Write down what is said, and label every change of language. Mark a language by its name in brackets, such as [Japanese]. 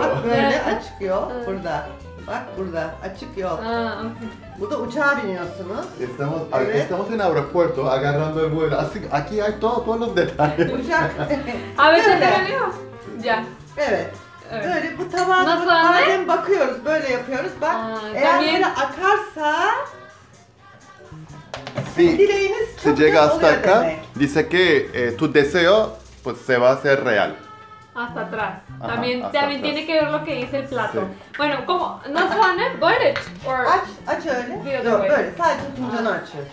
[Turkish] Bak böyle açık yol burada. Bak burada açık yol. Bu da uçağa biniyorsunuz. [Spanish] Estamos, [Turkish] evet. [Spanish] Estamos en aeropuerto agarrando el vuelo. Así aquí hay todos los detalles. [Turkish] Uçak. [Spanish] A veces te veo. Ya. [Turkish] Evet. Böyle bu tabağa madem bakıyoruz, böyle yapıyoruz. Bak eğer böyle akarsa [Spanish] sí, si llega hasta acá, dice que tu deseo pues se va a hacer real. Hasta atrás. Ajá, también hasta también atrás. Tiene que ver lo que dice el plato. Sí. Bueno, ¿cómo? ¿No se van a ver? ¿Voy a ver? [Turkish] ¿Aç öyle? No, böyle. Sadece tuncan açıyor.